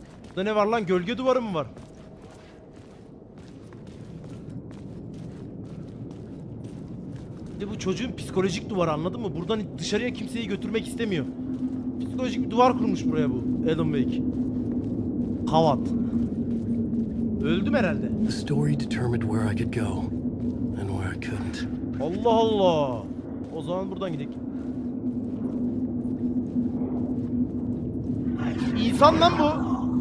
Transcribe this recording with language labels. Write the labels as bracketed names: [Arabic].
[Turkish] Burada ne var lan? Gölge duvarı mı var? Bu çocuğun psikolojik duvarı, anladın mı? Buradan dışarıya kimseyi götürmek istemiyor. Psikolojik bir duvar kurmuş buraya bu Alan Wake. Kavat. Öldüm herhalde. [English] The story determined where I could go and where I couldn't. [Turkish] Allah Allah. O zaman buradan gidelim. İnsan lan bu.